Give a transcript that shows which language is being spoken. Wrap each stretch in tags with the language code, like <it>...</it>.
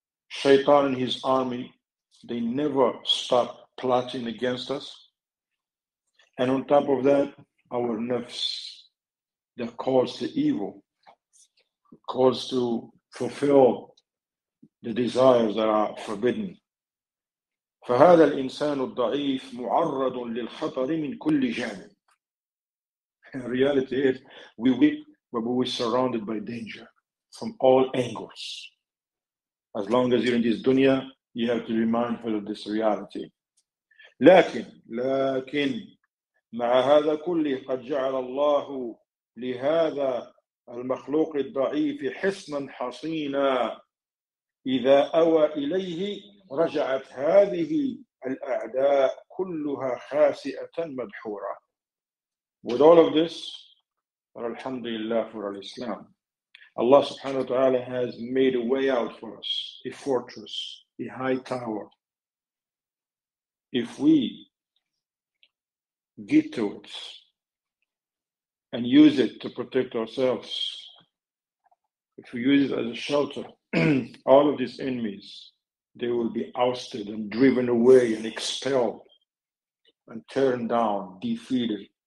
<en>Shaytan and his army, they never stop plotting against us. And on top of that, our nafs that calls to evil, calls to fulfill the desires that are forbidden.</en> <ar>فهذا الإنسان الضعيف معرض للخطر من كل جانب.</ar> <en>And reality is, we weep, but we're surrounded by danger from all angles. As long as you're in this dunya, you have to be mindful of this reality.</en> <ar>لكن مع هذا كله قد جعل الله لهذا المخلوق الضعيف حصنا حصينا إذا أوى إليه رجعت هذه الأعداء كلها خاسئة مدحورة.</ar> <en>With all of this, alhamdulillah for al-Islam. Allah subhanahu wa ta'ala has made a way out for us, a fortress, a high tower. If we get to it and use it to protect ourselves, if we use it as a shelter, all of these enemies, they will be ousted and driven away and expelled and turned down, defeated.</en>